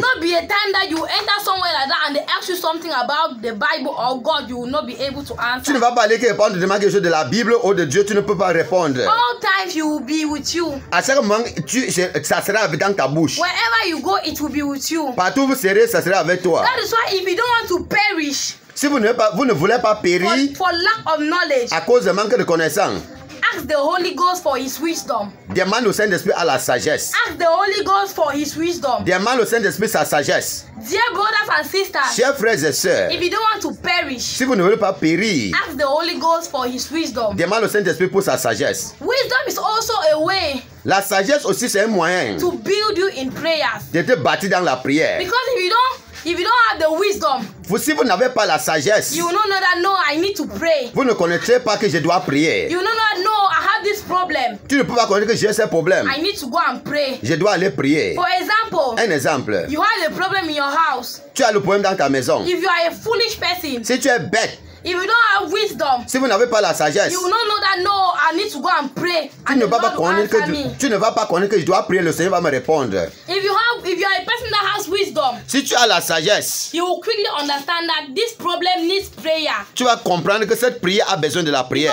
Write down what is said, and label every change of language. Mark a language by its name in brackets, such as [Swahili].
[English] There will not be a time that you enter somewhere like that and they ask you something about the Bible or God, you will not be able to answer. [French] Tu ne vas pas aller répondre demain quelque chose de la Bible ou de Dieu, tu ne peux pas répondre. [English] All times he will be with you. [French] À chaque moment, ça sera dans ta bouche. [English] Wherever you go, it will be with you. [French] Partout vous serez, ça sera avec toi. [English] That is why if you don't want to perish, [French] si vous ne voulez pas périr, [English] for lack of knowledge, [French] à cause de manque de connaissance, [English] ask the Holy Ghost for His wisdom. [French] Demande au Saint-Esprit à la sagesse. [English] Ask the Holy Ghost for His wisdom. [French] Demande au Saint-Esprit sa sagesse. [English] Dear brothers and sisters, [French] chers frères et sœurs, [English] if you don't want to perish, [French] si vous ne voulez pas périr, [English] ask the Holy Ghost for His wisdom. [French] Demande au Saint-Esprit pour sa sagesse. [English] Wisdom is also a way. [French] La sagesse aussi c'est un moyen. [English] To build you in prayers. [French] De te bâtir dans la prière. [English] Because if you don't have the wisdom, [French] si vous n'avez pas la sagesse, [English] you will not know that, no, I need to pray. [French] Vous ne connaîtrez pas que je dois prier. [English] You will not know, I have this problem. [French] Tu ne peux pas connaître que j'ai ce problème. [English] I need to go and pray. [French] Je dois aller prier. [English] For example, [French] un exemple. [English] You have a problem in your house. [French] Tu as le problème dans ta maison. [English] If you are a foolish person, [French] si tu es bête, [English] if you don't have wisdom, [French] si vous n'avez pas la sagesse, [English] you will not know that, no, I need to go and pray. [French] Tu ne vas pas connaître que je dois prier, le Seigneur va me répondre. [English] If you are a person that has wisdom, [French] si tu as la sagesse, [English] you will quickly understand that this problem needs prayer. [French] Tu vas comprendre que cette prière a besoin de la prière.